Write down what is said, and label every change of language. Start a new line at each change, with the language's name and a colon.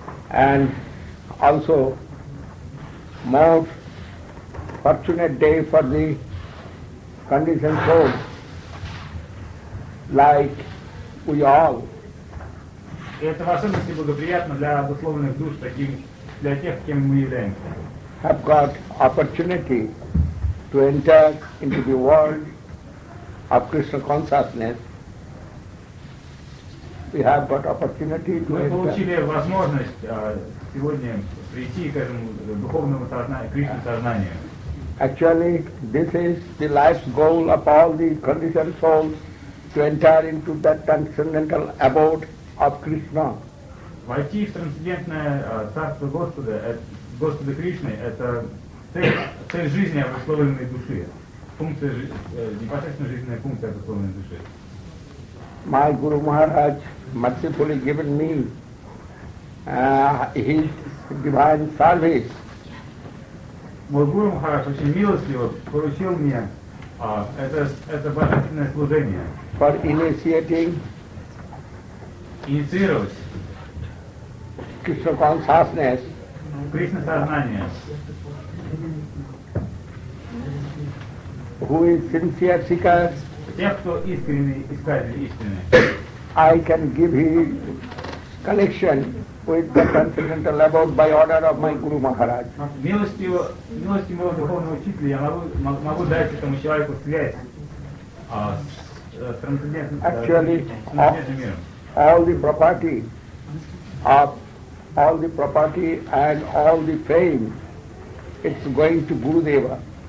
English: And also most fortunate day for the conditioned soul, like we all.
Russian: И это в особенности благоприятно для обусловленных душ, таким, для тех, кем мы являемся.
English: Have got opportunity to enter into the world of Krishna consciousness. We have got opportunity to
Russian: enter. Мы получили возможность сегодня прийти к этому духовному сознанию, Кришна сознанию.
English: Actually, this is the life's goal of all the conditioned souls to enter into that transcendental abode of Krishna.
Russian: Войти в трансцендентное царство Господа, Господа Кришны, это цель жизни обусловленной души, функция непосредственно жизненная функция обусловленной души.
English: My Guru Maharaj mercifully given me his divine service.
Russian: Мой Гуру Махарадж очень милостиво поручил мне это божественное служение.
English: For initiating.
Russian: Инициировать
English: Кришна консасснес.
Russian: Кришна сознание.
English: Who is sincere seeker?
Russian: Тех, кто искренний искатель истины.
English: I can give him connection with the transcendental abode by order of my Guru Maharaj.
Russian: Милости моего духовного учителя я могу дать этому человеку связь с трансцендентным миром.
English: All the property and all the fame, it's going to Gurudeva.